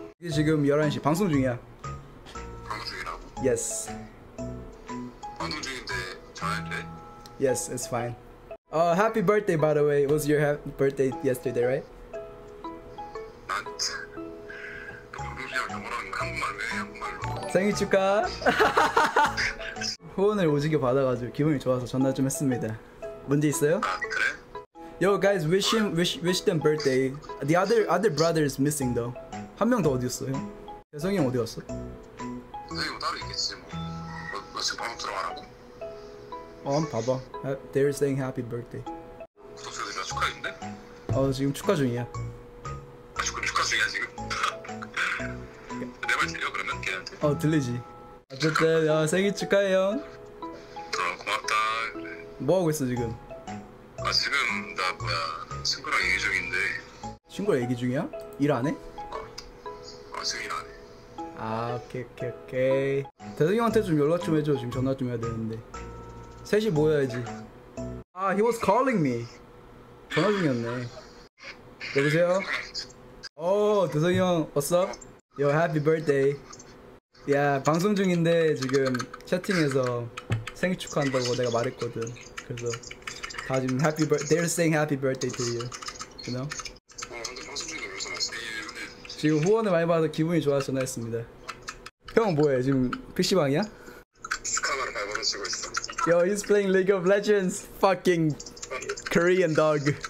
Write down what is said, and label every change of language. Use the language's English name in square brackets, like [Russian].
[Korean] 이게 지금 11시 방송 중이야. 방송 중이라고? [English] Yes. [Korean] 방송 중인데 전화해도 돼? [English] Yes, it's fine. Happy birthday, by the way. It was your birthday yesterday, right? [Korean] 난 방송 중이야. 영어로는 한국말로 해, 한국말로. 생일 축하. 후원을 오지게 받아가지고 기분이 좋아서 전화 좀 했습니다. 문제 있어요? 아, 그래? [English] Yo, guys, wish them birthday. The other brother is missing though. [Korean] 한 명 더 어디 갔어? 형? 재성이 형 어디 갔어? 재성이 형 따로 있겠지 뭐. 너 지금 방금 들어가라고. 한번 봐봐. [English] They're saying happy birthday. [Korean] 구독자들 다 축하했는데? 지금 축하 중이야. 아, 축하 중이야 지금? 내 말 들려 그러면 걔한테? 들리지. 어쨌든 생일 축하해 형. 고맙다. 뭐 하고 있어 지금? 아 지금 나 뭐야 친구랑 얘기 중인데 친구랑 얘기 중이야? 일 안 해? 아 지금 일 안 해 아 오케이 대성이 형한테 좀 연락 좀 해줘 지금 전화 좀 해야 되는데 셋이 모여야지 아 [English] he was calling me [Korean] 전화 중이었네 여보세요? 오 대성이 형 [English] what's up? Yo happy birthday [Korean] 야 방송 중인데 지금 채팅에서 생일 축하한다고 내가 말했거든 그래서 다 지금 [English] happy birthday, they're saying happy birthday to you, you know? [Korean] 근데 방송 중에 왜 전화했어? 지금 후원을 많이 받아서 기분이 좋아서 전화했습니다. 형 뭐해? 지금 PC방이야? 스카바를 밟아붙이고 있어. [English] Yo, he's playing League of Legends, fucking Korean dog.